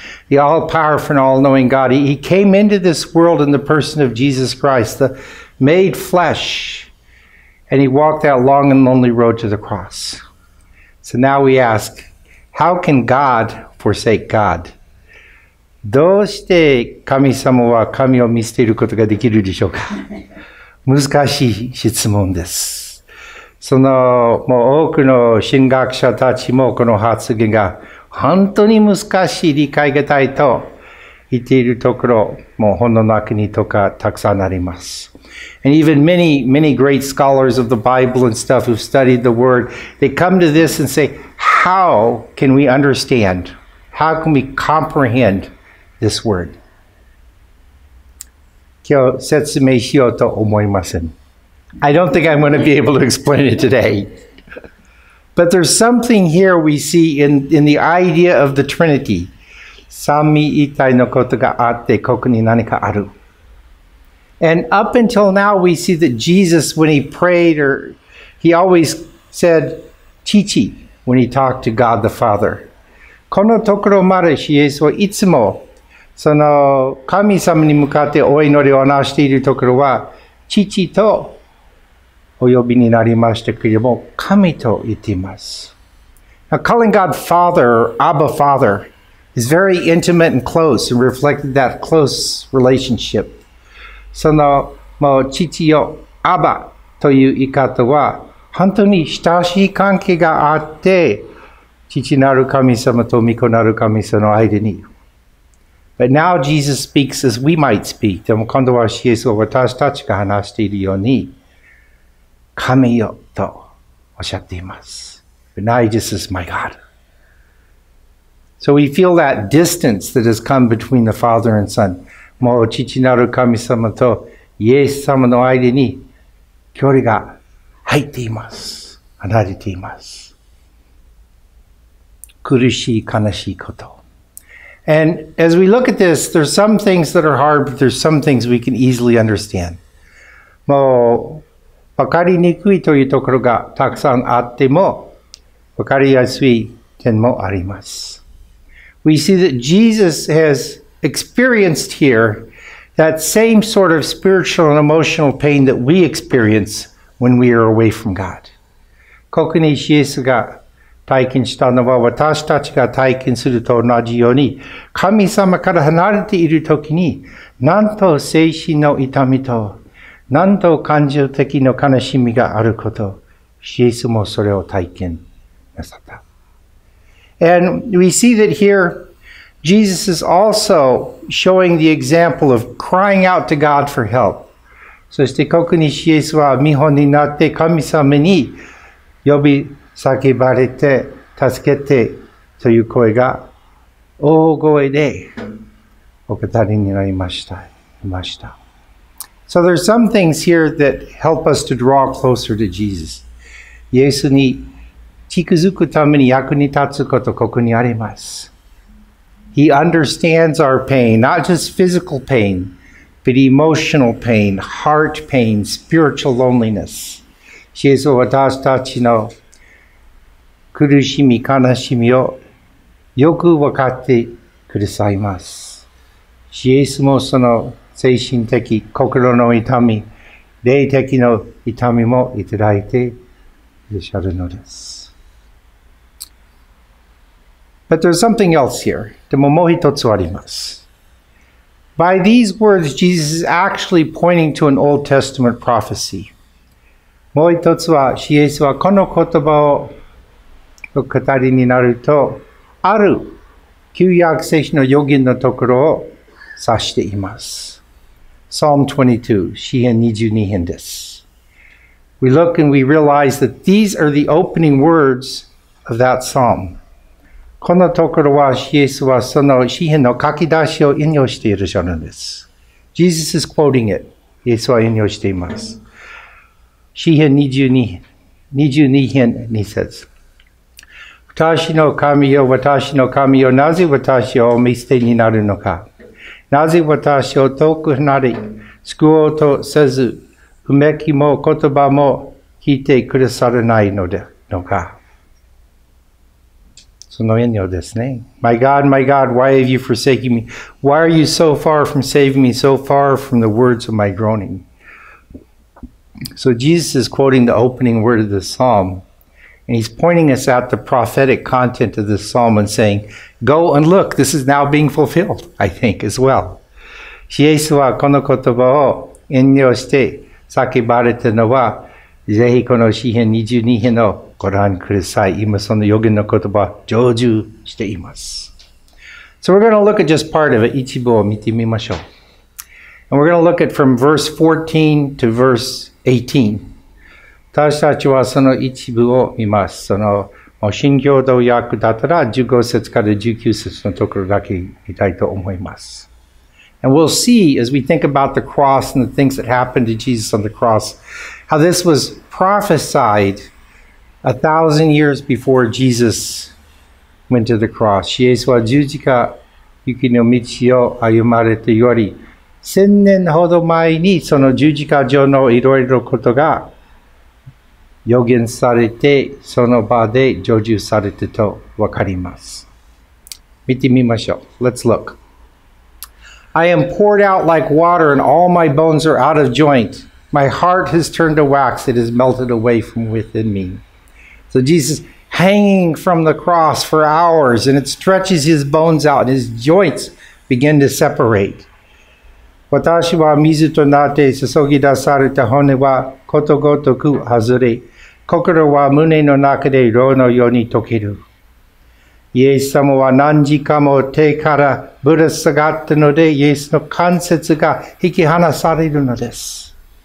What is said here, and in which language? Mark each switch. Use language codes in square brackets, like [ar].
[en] The all-powerful and all-knowing God, He came into this world in the person of Jesus Christ, the made flesh, and He walked that long and lonely road to the cross. So now we ask, how can God forsake God? [ja] どうして神様は神を見捨てることができるでしょうか? 難しい質問です。そのもう多くの神学者たちもこの発言が本当に難しい理解がたいと言っているところもう本の中にとかたくさんあります。 [en] And even many, many great scholars of the Bible and stuff who've studied the word, they come to this and say, how can we understand? How can we comprehend this word? [ja] 今日説明しようと思いません。 [en] I don't think I'm going to be able to explain it today. But there's something here we see in the idea of the Trinity. [ja] 三位一体のことがあって、ここに何かある。 [en] And up until now, we see that Jesus, when he prayed, or he always said, Chichi, when he talked to God the Father. [ja] このところまで、イエスはいつも、その神様に向かってお祈りをなしているところは、父とお呼びになりましたけれども、神と言っています。 [en] Now, calling God Father, Abba Father, is very intimate and close, and reflected that close relationship. [ja] そのもう父よ、アバという言い方は、本当に親しい関係があって、父なる神様と御子なる神様の間に。 [en] But now Jesus speaks as we might speak. [ja] でも今度はイエスは私たちが話しているように、神よとおっしゃっています。 [en] But now Jesus is my God. So we feel that distance that has come between the Father and Son. [ja] もう父なる神様とイエス様の間に距離が入っています。離れています。苦しい悲しいこと。 [en] And as we look at this, there's some things that are hard, but there's some things we can easily understand. [ja] もう、わかりにくいというところがたくさんあっても、わかりやすい点もあります。 [en] We see that Jesus has experienced here that same sort of spiritual and emotional pain that we experience when we are away from God. [ja] ここにイエスが体験したのは私たちが体験すると同じように神様から離れているときになんと精神の痛みとなんと感情的な悲しみがあることイエスもそれを体験なさった。 [en] And we see that here Jesus is also showing the example of crying out to God for help. [ja] そしてここにイエスは見本になって神様に呼び叫ばれて助けてという声が大声でお語りになりました。 [en] So there's some things here that help us to draw closer to Jesus. [ja] イエスに近づくために役に立つことここにあります。 [en] He understands our pain, not just physical pain, but emotional pain, heart pain, spiritual loneliness. [ja] イエスは私たちの苦しみ、悲しみをよく分かってくださいます。イエスもその精神的、心の痛み、霊的の痛みもいただいていらっしゃるのです。 [en] But there's something else here. [ja] でももう一つあります。 [en] By these words, Jesus is actually pointing to an Old Testament prophecy. [ja] もう一つは、イエスはこの言葉を語りになると、ある旧約聖書の予言のところを指しています。 Psalm 22, 詩編22編です。 [en] We look and we realize that these are the opening words of that psalm. [ja] このところは、イエスはその詩編の書き出しを引用しているじゃないですか。 [en] Jesus is quoting it. [ja] イエスは引用しています。詩編22編2節。私の神よ、私の神よ、なぜ私をお見捨てになるのか。なぜ私を遠く離れ、救おうとせず、うめきも言葉も聞いてくださらないのでのか。その引用ですね。 [en] My God, my God, why have you forsaken me? Why are you so far from saving me, so far from the words of my groaning? So Jesus is quoting the opening word of the psalm. And he's pointing us at the prophetic content of this psalm and saying, Go and look, this is now being fulfilled, I think, as well. [ja] イエスはこの言葉を引用して叫ばれたのは、ぜひこの詩編22編をご覧ください。今その予言の言葉、成就しています。 [en] So we're going to look at just part of it, [ja] 一部を見てみましょう。 [en] And we're going to look at from verse 14 to verse 18. [ja] 私たちはその一部を見ます。その、もう新共同訳だったら15節から19節のところだけ見たいと思います。 [en] And we'll see as we think about the cross and the things that happened to Jesus on the cross, how this was prophesied 1,000 years before Jesus went to the cross. [ja] イエスは十字架行きの道を歩まれてより千年ほど前にその十字架上のいろいろことが予言されてその場で成就されてとわかります。見てみましょう。 [en] Let's look. I am poured out like water and all my bones are out of joint. My heart has turned to wax. It is melted away from within me. So Jesus hanging from the cross for hours and it stretches his bones out and his joints begin to separate. [ja] 私は水となって注ぎ出された骨はことごとく外れ、心は胸の中で炉のように溶ける。イエス様は何時間も手からぶら下がったので、イエスの関節が引き離されるのです。